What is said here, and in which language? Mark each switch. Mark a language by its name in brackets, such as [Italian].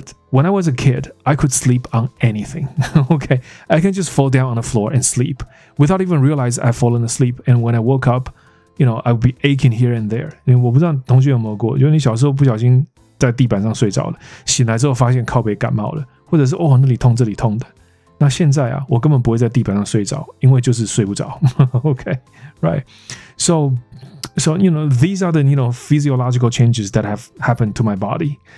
[English] When I was a kid, I could sleep on anything. Okay, I can just fall down on the floor and sleep without even realize I've fallen asleep. And when I woke up, you know, I'd be aching here and there. [Chinese] 因为我不知道同学有没有过，就是你小时候不小心在地板上睡着了，醒来之后发现靠背感冒了，或者是哦那里痛这里痛的。那现在啊，我根本不会在地板上睡着，因为就是睡不着。 [English] Okay, right. So you know, these are the you know physiological changes that have happened to my body.